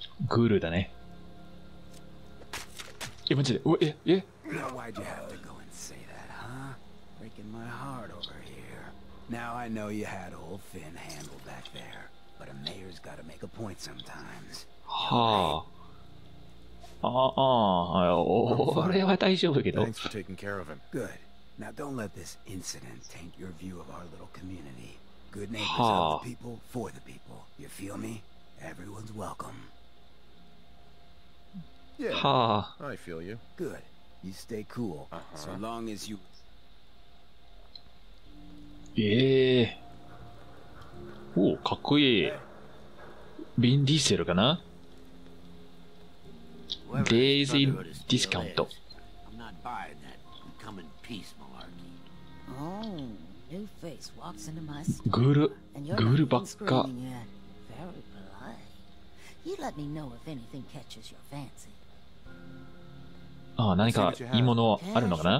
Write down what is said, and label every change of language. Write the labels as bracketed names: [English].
[Japanese] Guru, だね。今ちで、うわ、え、え。 [English] Now why'd you have to go and say that, huh? Breaking my heart over here. Now I know you had old Finn handled back there. But a mayor's got to make a point sometimes. [Japanese] はあ。ああ、これは大丈夫けど。 [English] Thanks for taking care of him. Good. Now don't let this incident taint your view of our little community. Good neighbors are the people for the people. You feel me? Everyone's welcome. Yeah, I feel you. Good. You stay cool. Uh-huh. So long as you... Yeah. Oh, [Japanese] かっこいい。ビンディーセルかな？ [English] Daisy discount. I'm not buying that. You come in peace. Oh, new face walks into my store. And you're not screaming yet. Very polite. You let me know if anything catches your fancy. [Japanese] Ah, 何かいいものあるのかな？